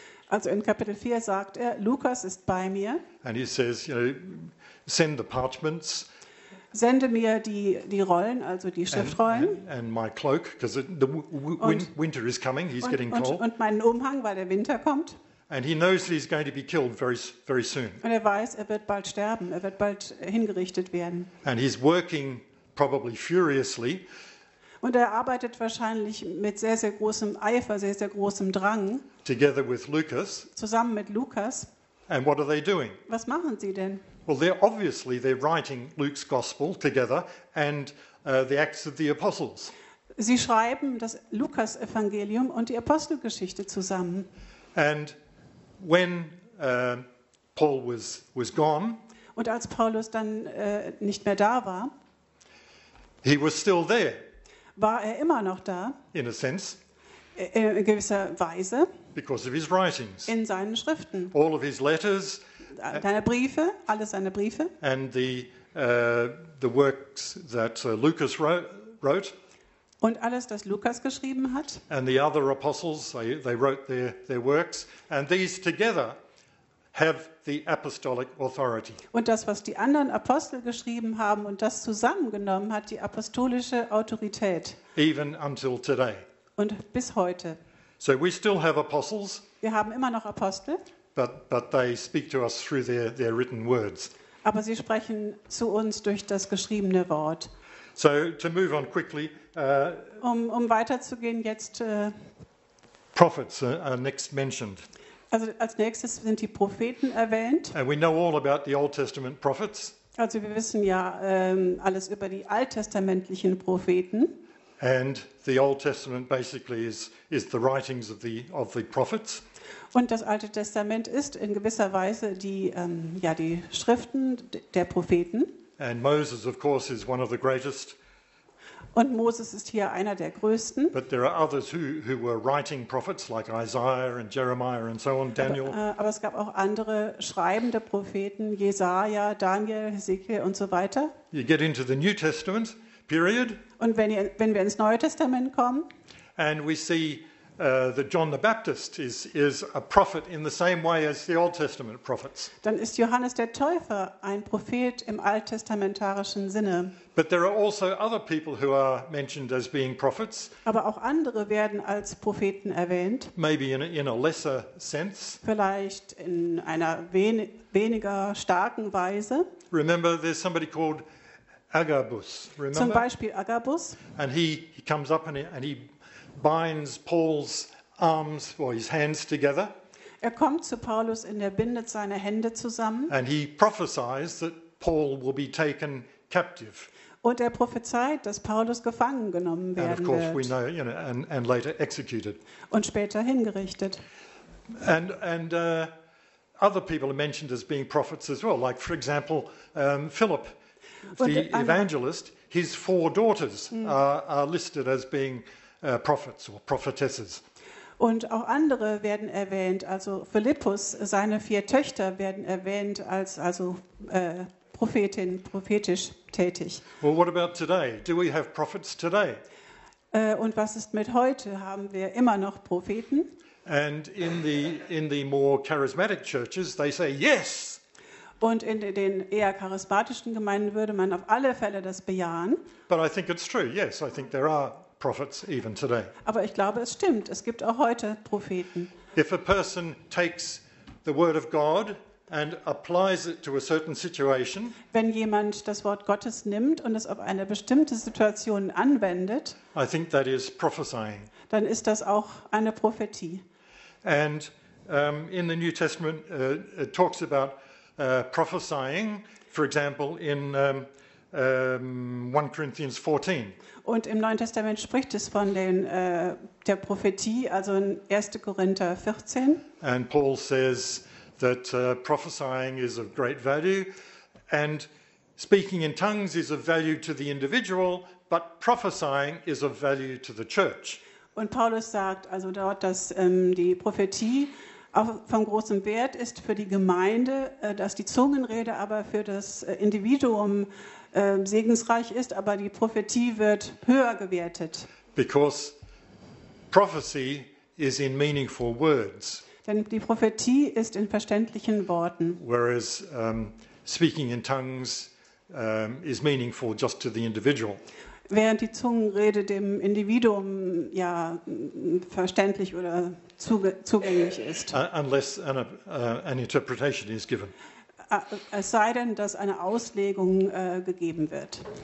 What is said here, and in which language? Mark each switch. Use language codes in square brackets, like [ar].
[de] Also in Kapitel 4 sagt er, Lukas ist bei mir. [en] And he says, you know, send the parchments. [de] Sende mir die Rollen, also die Schriftrollen. [en] And my cloak, because the winter is coming, he's getting cold. [de] Und meinen Umhang, weil der Winter kommt. [en] And he knows he's going to be killed very, very soon. [de] Und er weiß, er wird bald sterben, er wird bald hingerichtet werden. [en] And he's working probably furiously. [de] Und er arbeitet wahrscheinlich mit sehr, sehr großem Eifer, sehr, sehr großem Drang. [en] Together with Lucas. [de] Zusammen mit Lukas. [en] And what are they doing? [de] Was machen sie denn? [en] Well, they're writing Luke's Gospel together and the Acts of the Apostles. [de] Sie schreiben das Lukas-Evangelium und die Apostelgeschichte zusammen. [en] And when Paul was gone, [de] und als Paulus dann nicht mehr da war, [en] he was still there. [de] War er immer noch da? [en] In a sense. [de] In gewisser Weise. [en] Because of his writings. [de] In seinen Schriften. [en] All of his letters. [de] Deine Briefe, alle seine Briefe. [en] And the works that Lucas wrote. [de] Und alles, das Lukas geschrieben hat. [en] And the other apostles, they wrote their works. And these together have the apostolic authority. [de] Und das, was die anderen Apostel geschrieben haben und das zusammengenommen hat, die apostolische Autorität. [en] Even until today. [de] Und bis heute. [en] So we still have apostles. [de] Wir haben immer noch Apostel. [en] But they speak to us through their written words. [de] Aber sie sprechen zu uns durch das geschriebene Wort. [en] So to move on quickly. [de] Um weiterzugehen jetzt. [en] Prophets are next mentioned. [de] Also als nächstes sind die Propheten erwähnt. [en] And we know all about the Old Testament prophets. [de] Also wir wissen ja alles über die alttestamentlichen Propheten. [en] And the Old Testament basically is the writings of the prophets. [de] Und das Alte Testament ist in gewisser Weise die Schriften der Propheten. [en] And Moses, of course, is one of the greatest. [de] Und Moses ist hier einer der größten. [en] But there are others who were writing prophets like Isaiah and Jeremiah and so on, Daniel. [de] Aber es gab auch andere schreibende Propheten, Jesaja, Daniel, Hesekiel und so weiter. [en] You get into the New Testament period. [de] Und wenn wir ins Neue Testament kommen. [en] And we see that John the Baptist is a prophet in the same way as the Old Testament prophets. [de] Dann ist Johannes der Täufer ein Prophet im alttestamentarischen Sinne. [en] But there are also other people who are mentioned as being prophets. [de] Aber auch andere werden als Propheten erwähnt. [en] Maybe in a lesser sense. [de] Vielleicht in einer weniger starken Weise. [en] Remember, there's somebody called Agabus. Remember? [de] Zum Beispiel Agabus. [en] And he comes up and he binds Paul's arms or his hands together. [de] Er kommt zu Paulus und er bindet seine Hände zusammen. [en] And he prophesies that Paul will be taken captive. [de] Und er prophezeit, dass Paulus gefangen genommen werden wird. [en] And of course we know, you know, and later executed. [de] Und später hingerichtet. [en] And other people are mentioned as being prophets as well, like for example Philip, the evangelist. His four daughters are listed as being prophets or prophetesses. [de] Und auch andere werden erwähnt, also Philippus, seine vier Töchter werden erwähnt als also Prophetin, prophetisch tätig. [en] Well, what about today? Do we have prophets today? [de] Und was ist mit heute? Haben wir immer noch Propheten? [en] And in the more charismatic churches, they say yes. [de] Und in den eher charismatischen Gemeinden würde man auf alle Fälle das bejahen. [en] But I think it's true. Yes, I think there are prophets even today. [de] Aber ich glaube, es stimmt. Es gibt auch heute Propheten. [en] If a person takes the word of God and applies it to a certain situation, [de] wenn jemand das Wort Gottes nimmt und es auf eine bestimmte Situation anwendet, [en] I think that is prophesying. [de] Dann ist das auch eine Prophetie. [en] And in the New Testament it talks about prophesying, for example, in 1 Corinthians 14. [de] Und im Neuen Testament spricht es von der Prophetie, also in 1. Korinther 14. [en] And Paul says that prophesying is of great value and speaking in tongues is of value to the individual, But prophesying is of value to the church. [de] Und Paulus sagt also dort, dass die Prophetie auch von großem Wert ist für die Gemeinde, dass die Zungenrede aber für das Individuum segensreich ist, aber die Prophetie wird höher gewertet. [en] Because prophecy is in meaningful words. [de] Denn die Prophetie ist in verständlichen Worten. [en] Whereas speaking in tongues is meaningful just to the individual. [de] Während die Zungenrede dem Individuum ja verständlich oder zugänglich ist. [en] Unless an interpretation is given. [de] Es sei denn, dass eine Auslegung gegeben wird.